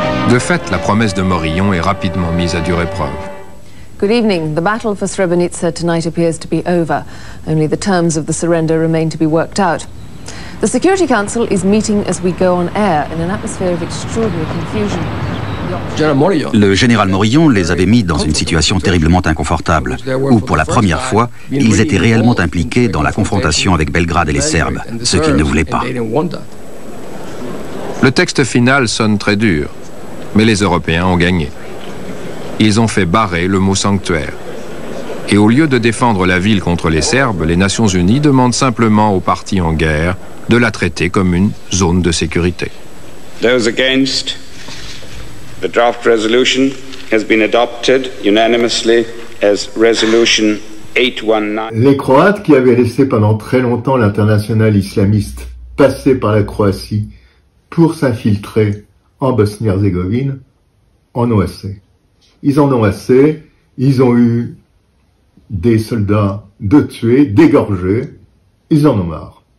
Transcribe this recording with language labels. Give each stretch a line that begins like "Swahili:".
French: De fait, la promesse de Morillon est rapidement mise à dure épreuve.
English: Good evening. The battle for Srebrenica tonight appears to be over. Only the terms of the surrender remain to be worked out. The Security Council is meeting as we go on air in an atmosphere of extraordinary confusion.
French: Le général Morillon les avait mis dans une situation terriblement inconfortable, où pour la première fois, ils étaient réellement impliqués dans la confrontation avec Belgrade et les Serbes, ce qu'ils ne voulaient pas. Le texte final sonne très dur, mais les Européens ont gagné. Ils ont fait barrer le mot sanctuaire. Et au lieu de défendre la ville contre les Serbes, les Nations Unies demandent simplement aux partis en guerre de la traiter comme une zone de sécurité.
English: Those against the draft resolution has been adopted unanimously as resolution 819.
French: Les Croates, qui avaient laissé pendant très longtemps l'international islamiste passer par la Croatie pour s'infiltrer en Bosnie-Herzégovine, en ont assez. Ils en ont assez, ils ont eu des soldats de tuer, d'égorger, ils en ont marre.